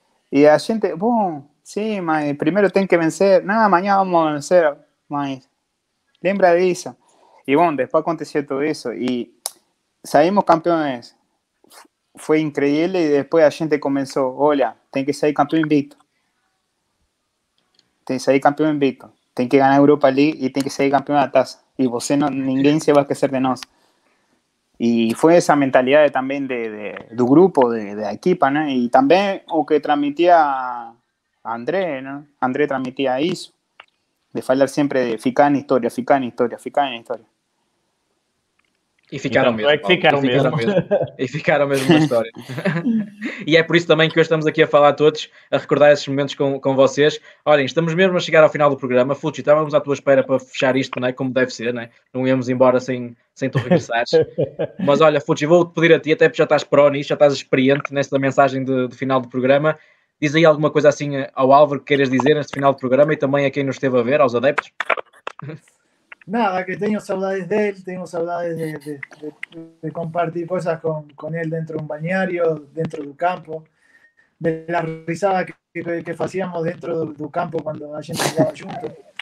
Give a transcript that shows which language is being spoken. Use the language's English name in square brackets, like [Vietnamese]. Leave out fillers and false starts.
[Spanish] Y la gente, boom, sí, mas primero tienen que vencer. Nada, mañana vamos a vencer. Mas, lembra de eso. Y bueno, después aconteció todo eso. Y salimos campeones. Fue increíble. Y después la gente comenzó: hola, tienen que salir campeón invicto. [Portuguese] Tem que sair campeão invicto, tem que ganhar a Europa League e tem que sair campeão da taça. E você, não, ninguém se vai esquecer de nós. E foi essa mentalidade também do grupo, da equipa, né? E também o que transmitia André, né? André transmitia isso, de falar sempre de ficar na história, ficar na história, ficar na história. E ficaram mesmo. E ficaram mesmo na história. E é por isso também que hoje estamos aqui a falar todos, a recordar esses momentos com vocês. Olhem, estamos mesmo a chegar ao final do programa. Fucci, estávamos à tua espera para fechar isto, né? Como deve ser, né? Não íamos embora sem tu regressares. Mas olha, Fucci, vou-te pedir a ti, até porque já estás pró nisso, já estás experiente nesta mensagem de final do programa. Diz aí alguma coisa assim ao Álvaro que queiras dizer neste final do programa e também a quem nos esteve a ver, aos adeptos. [Spanish] Nada, que tengo saudades de él, tengo saudades de compartir cosas con él dentro de un bañario, dentro del campo, de la risada que hacíamos dentro del campo cuando la gente estaba junto.